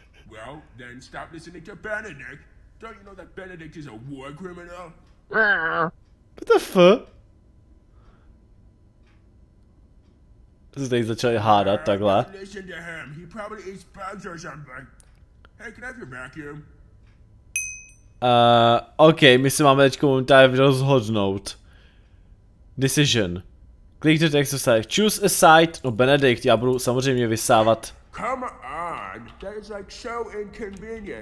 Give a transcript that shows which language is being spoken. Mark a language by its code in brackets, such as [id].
[en] Well, then stop listening to Benedict. Don't you know that Benedict is a war criminal? What the fuck? This is the chill hard out, Douglas. Don't listen to him. He probably eats bugs or something. Hey, can I have your vacuum? [cs] Okay, my si máme teďko momentálně rozhodnout. [en] Decision. Click to text to say. Choose a side. [cs] No, Benedict, já budu samozřejmě vysávat. [en] Come on, that is like so inconvenient.